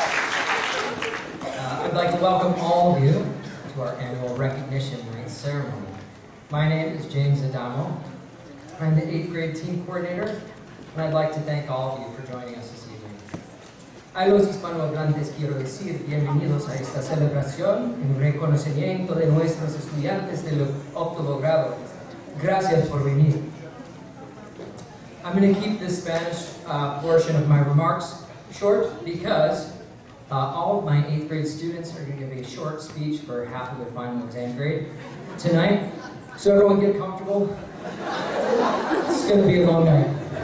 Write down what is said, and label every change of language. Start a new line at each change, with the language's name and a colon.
English: I'd like to welcome all of you to our annual recognition ring ceremony. My name is James Adamo. I'm the 8th grade team coordinator, and I'd like to thank all of you for joining us this evening.
Spanish: A los hispanohablantes quiero decir bienvenidos a esta celebración en reconocimiento de nuestros estudiantes del octavo grado. Gracias por venir.
English: I'm going to keep this Spanish portion of my remarks short because all of my 8th grade students are going to give a short speech for half of their final exam grade tonight. So everyone get comfortable. It's going to be a long night.